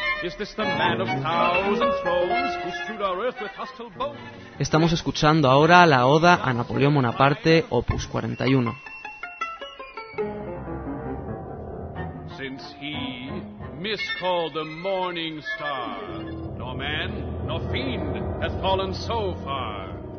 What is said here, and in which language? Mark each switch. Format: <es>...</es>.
<en>Is this the man of thousand thrones who strewed our earth with hostile bones?</en> <es>Estamos escuchando ahora la Oda a Napoleón Bonaparte, Opus 41.</es> <en>Since he miscalled the morning star, nor man nor fiend has fallen so far.</en>